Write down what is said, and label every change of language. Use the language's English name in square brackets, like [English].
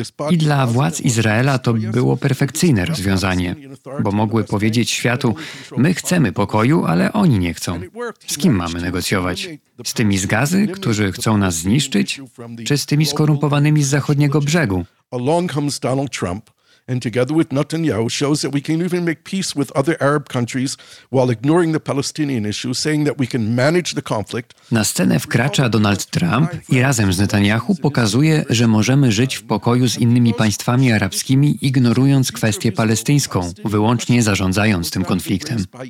[Polish] I dla władz Izraela to było perfekcyjne rozwiązanie, bo mogły powiedzieć światu: my chcemy pokoju, ale oni nie chcą. Z kim mamy negocjować? Z tymi z Gazy, którzy chcą nas zniszczyć? Czy z tymi skorumpowanymi z zachodniego brzegu? [English] Along comes Donald Trump, and together with Netanyahu shows that we can even make peace with other Arab countries while ignoring the Palestinian issue, saying that we can manage the conflict. [Polish] Na scenę wkracza Donald Trump i razem z Netanyahu pokazuje, że możemy żyć w pokoju z innymi państwami arabskimi, ignorując kwestię palestyńską, wyłącznie zarządzając tym konfliktem.